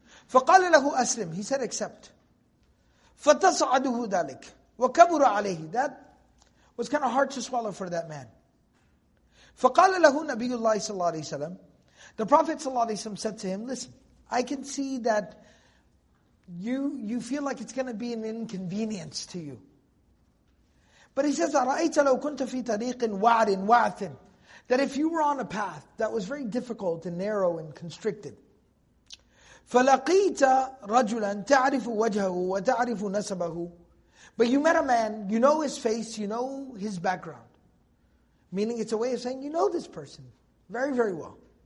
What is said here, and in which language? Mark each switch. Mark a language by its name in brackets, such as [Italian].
[Arabic] فَقَالَ لَهُ أَسْلِمْ. [English] He said, accept. [Arabic] فَتَصْعَدُهُ ذَلِكَ وَكَبُرَ عَلَيْهِ. [English] That was kind of hard to swallow for that man. [Arabic] فَقَالَ لَهُ نَبِيُّ اللَّهِ صَلَّى اللَّهِ وَسَلَّمْ. [English] The Prophet [Arabic] صلى الله عليه وسلم [English] said to him, listen, I can see that you feel like it's going to be an inconvenience to you. But he says, [Arabic] أَرَأَيْتَ لَوْ كُنْتَ فِي تَرِيقٍ وَعْرٍ وَعْثٍ. [English] That if you were on a path that was very difficult and narrow and constricted, [Arabic] فَلَقِيْتَ رَجُلًا تَعْرِفُ وَجْهَهُ وَتَعْرِفُ نَسَبَهُ. [English] But you met a man, you know his face, you know his background. Meaning it's a way of saying, you know this person very, very well.